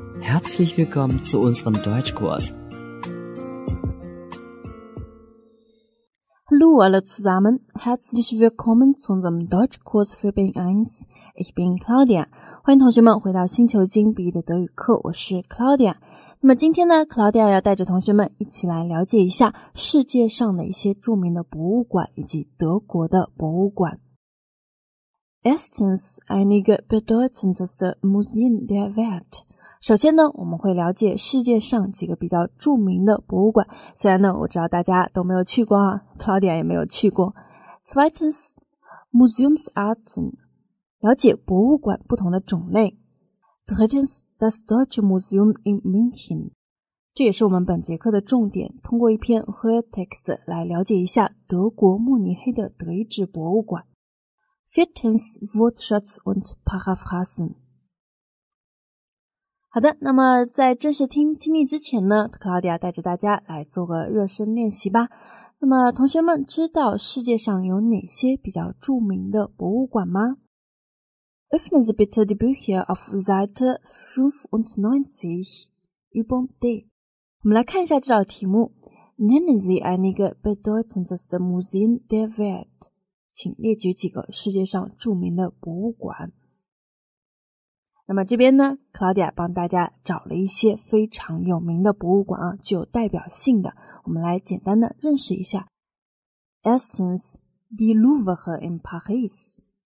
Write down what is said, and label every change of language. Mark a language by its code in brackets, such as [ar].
[de] Herzlich willkommen zu unserem Deutschkurs. Hallo alle zusammen. Herzlich willkommen zu unserem Deutschkurs für Bing 1. Ich bin Claudia. [zh] 欢迎同学们回到星球金笔的德语课，我是 Claudia。那么今天呢 ，Claudia 要带着同学们一起来了解一下世界上的一些著名的博物馆以及德国的博物馆。 [de] Erstens einige bedeutendste Museen der Welt. [zh] 首先呢，我们会了解世界上几个比较著名的博物馆。虽然呢，我知道大家都没有去过啊 ，Claudia 也没有去过。 [de] Zweitens Museumsarten. [zh] 了解博物馆不同的种类。 [de] Drittens das Deutsche Museum in München. [zh] 这也是我们本节课的重点，通过一篇 Hörtext 来了解一下德国慕尼黑的德意志博物馆。 [de] Viertens Wortschatz und Paraphrasen. [zh] 好的，那么在正式听听力之前呢 ，Claudia 带着大家来做个热身练习吧。那么同学们知道世界上有哪些比较著名的博物馆吗 [de] ？Öffnen Sie bitte die Bücher auf Seite 95 Übung D. [zh] 我们来看一下这道题目。 [de] Nennen Sie einige bedeutendste Museen der Welt. [zh] 请列举几个世界上著名的博物馆。那么这边呢 ，Claudia 帮大家找了一些非常有名的博物馆啊，具有代表性的，我们来简单的认识一下。 [de] Erstens, die Louvre in Paris,